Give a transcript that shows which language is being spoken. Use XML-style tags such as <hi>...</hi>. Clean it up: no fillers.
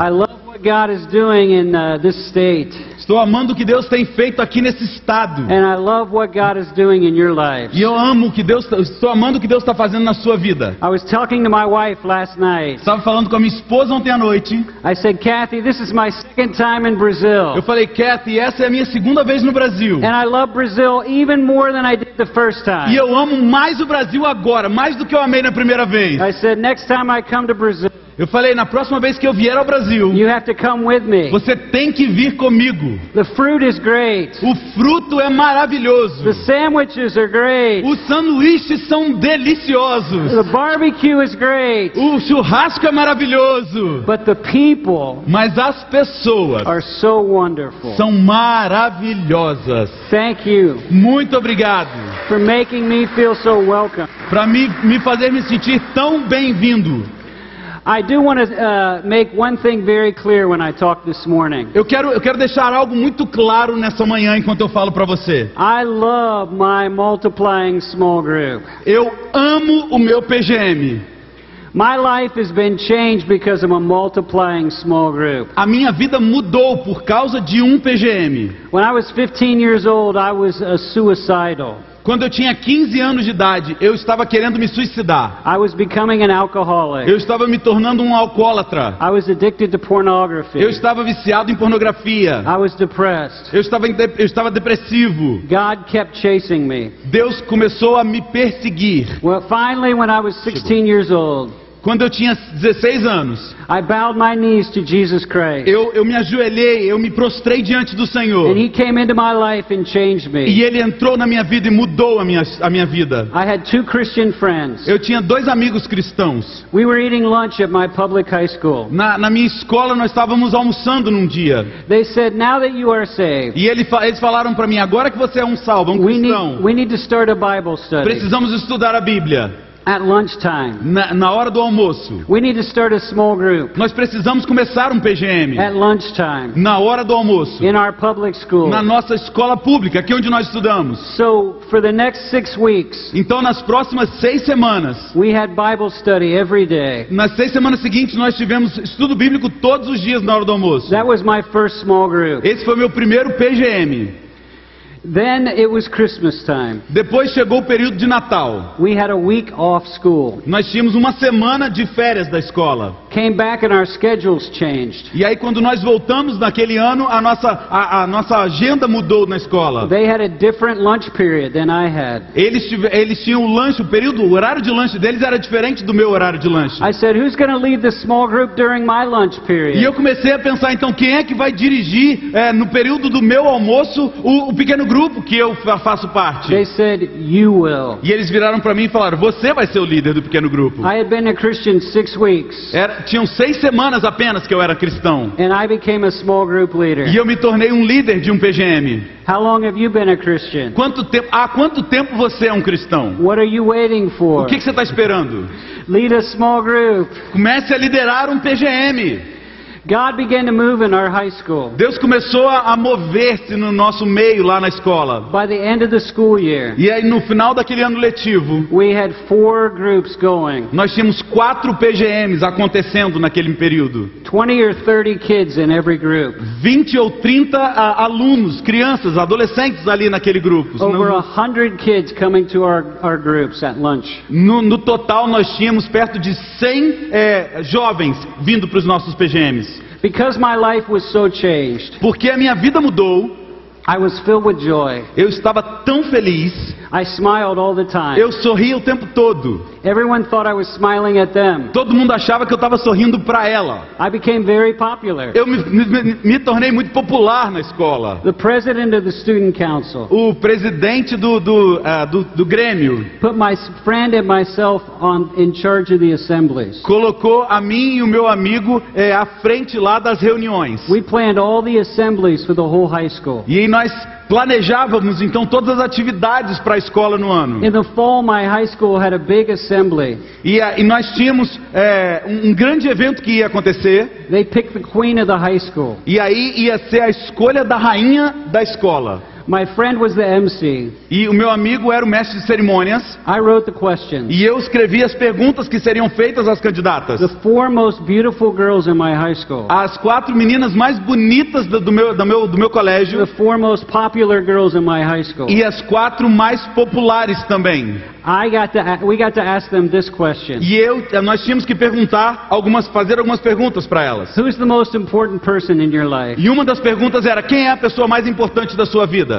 <en>I love what God is doing in this state.</en> <pt>Estou amando o que Deus tem feito aqui nesse estado.</pt> <en>And I love what God is doing in your life.</en> <pt>E eu amo o que Deus estou amando o que Deus está fazendo na sua vida.</pt> <en>I was talking to my wife last night.</en> <pt>Estava falando com a minha esposa ontem à noite.</pt> <en>I said, Kathy, this is my second time in Brazil.</en> <pt>Eu falei, Kathy, essa é a minha segunda vez no Brasil.</pt> <en>And I love Brazil even more than I did the first time.</en> <pt>E eu amo mais o Brasil agora, mais do que eu amei na primeira vez.</pt> <en>I said, next time I come to Brazil.</en> <pt>Eu falei, na próxima vez que eu vier ao Brasil,</pt> <en>you have to come with me.</en> <pt>Você tem que vir comigo.</pt> <en>The fruit is great.</en> <pt>O fruto é maravilhoso.</pt> <en>The sandwiches are great.</en> <pt>Os sanduíches são deliciosos.</pt> <en>The barbecue is great.</en> <pt>O churrasco é maravilhoso.</pt> <en>But the people,</en> <pt>mas as pessoas</pt> <en>are so wonderful.</en> <pt>São maravilhosas.</pt> <en>Thank you.</en> <pt>Muito obrigado.</pt> <en>For making me feel so welcome.</en> <pt>Para me fazer me sentir tão bem-vindo.</pt> <en>I do want to make one thing very clear when I talk this morning.</en> <pt>Eu quero deixar algo muito claro nessa manhã enquanto eu falo para você.</pt> <en>I love my multiplying small group.</en> <pt>Eu amo o meu PGM.</pt> <en>My life has been changed because of a multiplying small group.</en> <pt>A minha vida mudou por causa de um PGM.</pt> <en>When I was 15 years old, I was a suicidal.</en> <pt>Quando eu tinha 15 anos de idade, eu estava querendo me suicidar.</pt> <en>I was becoming an alcoholic.</en> <pt>Eu estava me tornando um alcoólatra.</pt> <en>I was addicted to pornography.</en> <pt>Eu estava viciado em pornografia.</pt> <en>I was depressed.</en> <pt>Eu estava depressivo.</pt> <en>God kept chasing me.</en> <pt>Deus começou a me perseguir.</pt> <en>Well, finally, when I was 16 years old,</en> <pt>quando eu tinha 16 anos,</pt> <en>I bowed my knees to Jesus Christ.</en> <pt>Eu me ajoelhei, eu me prostrei diante do Senhor.</pt> <en>And he came into my life and changed me.</en> <pt>E ele entrou na minha vida e mudou a minha vida.</pt> <en>I had two Christian friends.</en> <pt>Eu tinha dois amigos cristãos.</pt> <en>We were eating lunch at my public high school.</en> <pt>Na minha escola nós estávamos almoçando num dia.</pt> <en>They said, now that you are saved.</en> <pt>E eles falaram para mim, agora que você é um salvo, um cristão.</pt> <en>We need to start a Bible study.</en> <pt>Precisamos estudar a Bíblia.</pt> <en>At lunchtime.</en> <pt>Na hora do almoço.</pt> <en>We need to start a small group.</en> <pt>Nós precisamos começar um PGM.</pt> <en>At lunchtime.</en> <pt>Na hora do almoço.</pt> <en>In our public school.</en> <pt>Na nossa escola pública, aqui onde nós estudamos.</pt> <en>So, for the next 6 weeks.</en> <pt>Então, nas próximas 6 semanas.</pt> <en>We had Bible study every day.</en> <pt>Nas 6 semanas seguintes, nós tivemos estudo bíblico todos os dias na hora do almoço.</pt> <en>That was my first small group.</en> <pt>Esse foi meu primeiro PGM.</pt> <en>Then it was Christmas time.</en> <pt>Depois chegou o período de Natal.</pt> <en>We had a week off school.</en> <pt>Nós tínhamos uma semana de férias da escola.</pt> <en>Came back and our schedules changed.</en> <pt>E aí quando nós voltamos naquele ano, a nossa agenda mudou na escola.</pt> <en>They had a different lunch period than I had.</en> <pt>Eles tinham o horário de lanche deles era diferente do meu horário de lanche.</pt> <en>I said, who's going to lead the small group during my lunch period?</en> <pt>E eu comecei a pensar então quem é que vai dirigir no período do meu almoço o pequeno grupo que eu faço parte.</pt> <en>They said, you will.</en> <pt>E eles viraram para mim e falaram, você vai ser o líder do pequeno grupo.</pt> <en>I had been a Christian 6 weeks.</en> <pt>Tinham 6 semanas apenas que eu era cristão.</pt> <en>And I became a small group leader.</en> <pt>E eu me tornei um líder de um PGM.</pt> <en>How long have you been a Christian?</en> <pt>Há quanto tempo você é um cristão?</pt> <en>What are you waiting for?</en> <pt>O que você está esperando?</pt> <en>Lead a small group.</en> <pt>Comece a liderar um PGM.</pt> <en>God began to move in our high school.</en> <pt>Deus começou a mover-se no nosso meio lá na escola.</pt> <en>By the end of the school year,</en> <pt>e aí no final daquele ano letivo,</pt> <en>we had 4 groups going.</en> <pt>Nós tínhamos 4 PGMs acontecendo naquele período.</pt> <en>20 or 30 kids in every group.</en> <pt>20 ou 30 alunos, crianças, adolescentes ali naquele grupo.</pt> <en>Over 100 kids coming to our groups at lunch.</en> <pt>No total nós tínhamos perto de 100 jovens vindo para os nossos PGMs.</pt> <en>Because my life was so changed.</en> <pt>Porque a minha vida mudou.</pt> <en>I was filled with joy.</en> <pt>Eu estava tão feliz.</pt> <en>I smiled all the time.</en> <pt>Eu sorria o tempo todo.</pt> <en>Everyone thought I was smiling at them.</en> <pt>Todo mundo achava que eu estava sorrindo para ela.</pt> <en>I became very popular.</en> <pt>Eu me tornei muito popular na escola.</pt> <en>The president of the student council.</en> <pt>O presidente do grêmio.</pt> <en>Put my friend and myself on in charge of the assemblies.</en> <pt>Colocou a mim e o meu amigo à frente lá das reuniões.</pt> <en>We planned all the assemblies for the whole high school.</en> <pt>E nós planejávamos então todas as atividades para a escola no ano.</pt> <en>In the fall, my high school had a big assembly.</en> <pt>E nós tínhamos um grande evento que ia acontecer.</pt> <en>They picked the queen of the high school.</en> <pt>E aí ia ser a escolha da rainha da escola.</pt> <en>My friend was the MC.</en> <pt>E o meu amigo era o mestre de cerimônias.</pt> <en>I wrote the questions.</en> <pt>E eu escrevi as perguntas que seriam feitas às candidatas.</pt> <en>The four most beautiful girls in my high school.</en> <pt>As quatro meninas mais bonitas do meu colégio.</pt> <en>The four most popular girls in my high school.</en> <pt>E as quatro mais populares também.</pt> <en>We got to ask them this question.</en> <pt>E nós tínhamos que fazer algumas perguntas para elas.</pt> <en>Who is the most important person in your life?</en> <pt>E uma das perguntas era: quem é a pessoa mais importante da sua vida?</pt>